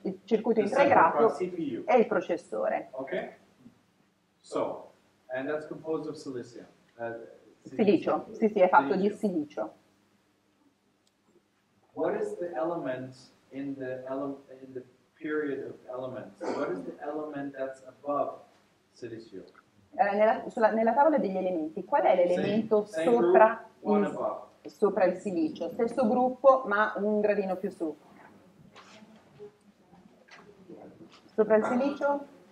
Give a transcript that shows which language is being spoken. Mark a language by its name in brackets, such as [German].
[Italian] Il circuito integrato è il processore. [English] Okay. So, and that's composed of silicium. [Italian] Silicio. Sì, sì, è fatto silicio. Di silicio. [English] What is the element in the period of elements? What is the element that's above silicio? [Italian] Nella tavola degli elementi, qual è l'elemento sopra il silicio? Stesso gruppo, ma un gradino più su. Sopra il silicio?